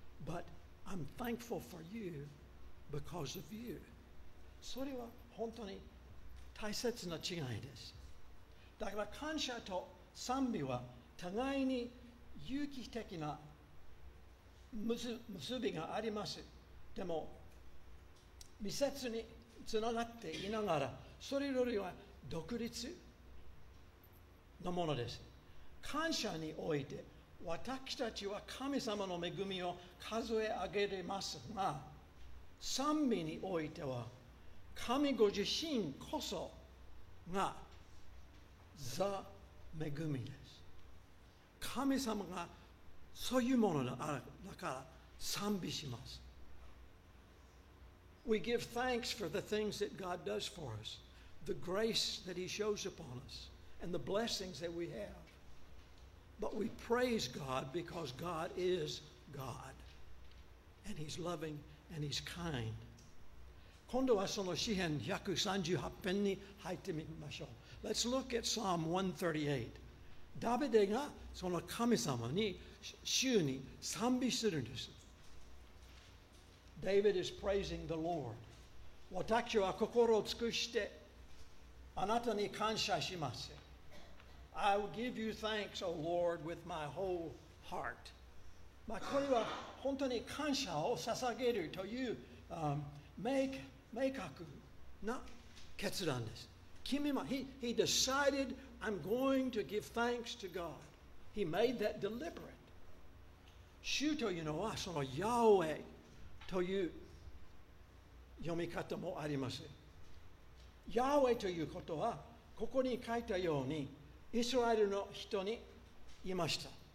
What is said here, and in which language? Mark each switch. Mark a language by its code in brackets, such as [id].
[en] But I'm thankful for you because of you. [ja] それは本当に大切な違いです。だから感謝と賛美は互いに有機的な結びがあります。でも密接につながっていながら、それよりは独立のものです。感謝において私たちは神様の恵みを数え上げれますが、賛美においては神ご自身こそがザ・恵みです。神様がそういうものだから賛美します。 [en] We give thanks for the things that God does for us, the grace that he shows upon us and the blessings that we have, but we praise God because God is God and he's loving and he's kind. [ja] 今度はその詩編138編に入ってみましょう。 [en] Let's look at Psalm 138. [ja] ダビデがその神様に主に賛美するんです。 [en] David is praising the Lord. [ja] 私は心を尽くしてあなたに感謝します。 [en] I will give you thanks, O Lord, with my whole heart. [ja] まあこれは本当に感謝を捧げるという明確な決断です。決めま、 [en] He decided, I'm going to give thanks to God. He made that deliberate. [ja] 主というのはそのヤウェという読み方もあります。ヤウェということはここに書いたようにイスラエルの人に言いました。